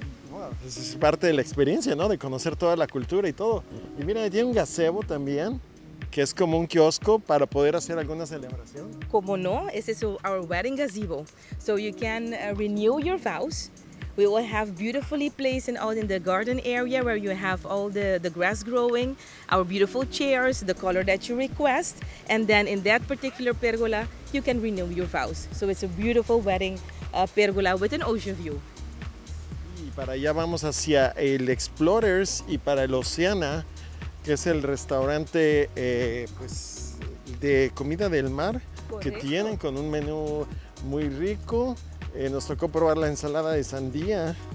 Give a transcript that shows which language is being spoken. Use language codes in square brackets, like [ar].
[es] Wow, es parte de la experiencia, ¿no? De conocer toda la cultura y todo. Y mira, tiene un gazebo también, que es como un kiosco para poder hacer alguna celebración. Como no, ese es [en] our wedding gazebo. So you can renew your vows. We will have beautifully placed and out in the garden area where you have all the grass growing, our beautiful chairs, the color that you request. And then in that particular pergola, you can renew your vows. So it's a beautiful wedding pergola with an ocean view. [es] Y para allá vamos hacia el Explorers y para el Oceana, que es el restaurante de comida del mar. Correcto. Que tienen con un menú muy rico. Nos tocó probar la ensalada de sandía.